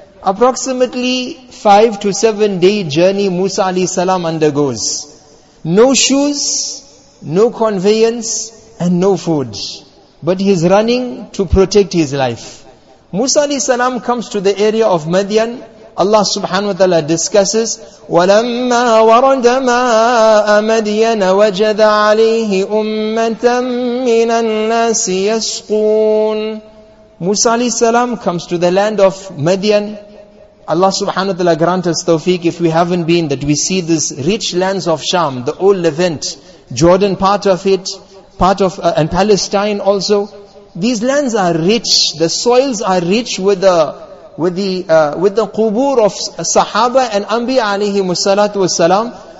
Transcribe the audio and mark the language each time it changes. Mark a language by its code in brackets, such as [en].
[en] Approximately 5 to 7 day journey Musa alayhi salam undergoes. No shoes, no conveyance, and no food. But he's running to protect his life. Musa alayhi salam comes to the area of Madian. Allah subhanahu wa ta'ala discusses, [ar] وَلَمَّا وَرَدَ مَاءَ مَدْيَنَ وَجَدَ عَلَيْهِ أُمَّةً مِّنَ النَّاسِ يَسْقُونَ. [en] Musa alayhi salam comes to the land of Madian. Allah subhanahu wa ta'ala grant us tawfiq, if we haven't been, that we see this rich lands of Sham, the old Levant, Jordan part of it, and Palestine also. These lands are rich, the soils are rich with the qubur of Sahaba and Anbiya alayhi musallatu wasalam.